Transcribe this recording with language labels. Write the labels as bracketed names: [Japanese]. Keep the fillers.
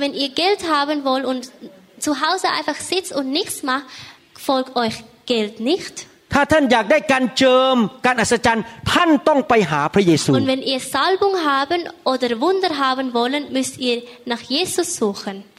[German] wenn ihr Geld haben wollt und zu Hause einfach sitzt und nichts macht, folgt euch Geld nicht. [Thai] ถ้าท่านอยากได้การเจิมการอัศจรรย์ ท่านต้องไปหาพระเยซู wenn [German] ihr Salbung haben oder Wunder haben wollen müsst ihr nach Jesus suchen